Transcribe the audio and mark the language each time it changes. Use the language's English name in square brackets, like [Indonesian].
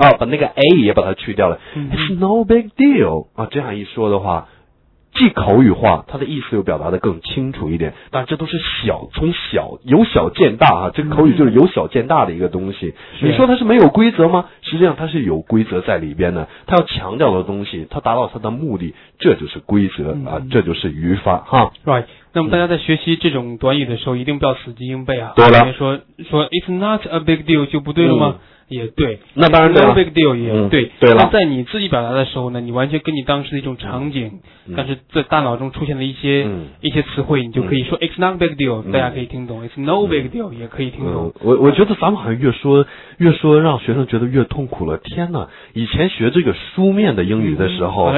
[Chinese] 啊，把那个 a 也把它去掉了、 [English] it's no big deal [Chinese] 啊，这样一说的话既口语化，它的意思又表达得更清楚一点，但这都是小，从小，由小见大啊，这口语就是由小见大的一个东西。你说它是没有规则吗？实际上它是有规则在里边的，它要强调的东西，它达到它的目的，这就是规则啊，这就是语法哈。 [English] Right。 [Chinese] 那么大家在学习这种短语的时候，一定不要死记硬背啊。对了，说 [English] it's not a big deal [Chinese] 就不对了吗？也对，那当然对了。 [English] No big deal [Chinese] 也对，对了。那在你自己表达的时候呢，你完全跟你当时的一种场景，但是在大脑中出现的一些词汇，你就可以说 [English] it's not a big deal， [Chinese] 大家可以听懂 ； [English] it's no big deal [Chinese] 也可以听懂。我觉得咱们好像越说让学生觉得越痛苦了。天哪，以前学这个书面的英语的时候，